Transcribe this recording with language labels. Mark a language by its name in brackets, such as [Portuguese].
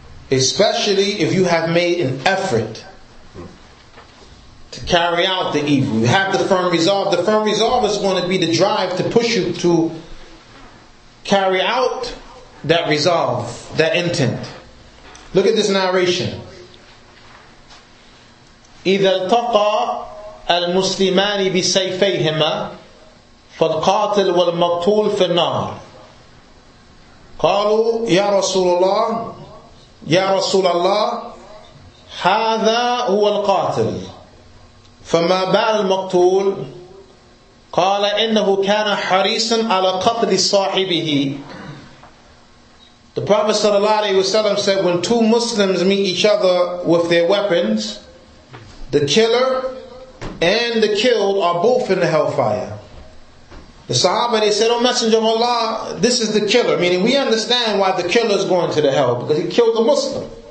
[English] Especially if you have made an effort to carry out the evil. You have the firm resolve. The firm resolve is going to be the drive to push you to carry out that resolve, that intent. Look at this narration. [Arabic] إِذَا الْتَقَى الْمُسْلِمَانِ بِسَيْفَيْهِمَا فالقاتل والمقتول في النار قالوا يا رسول الله يا رسول الله هذا هو القاتل فما بال المقتول قال إنه كان حريصا على قتل صاحبه. [English] The Prophet صلى الله عليه وسلم said, when two Muslims meet each other with their weapons, the killer and the killed are both in the hellfire. The Sahaba, they said, O Messenger of Allah, this is the killer. Meaning, we understand why the killer is going to the hell, because he killed a Muslim.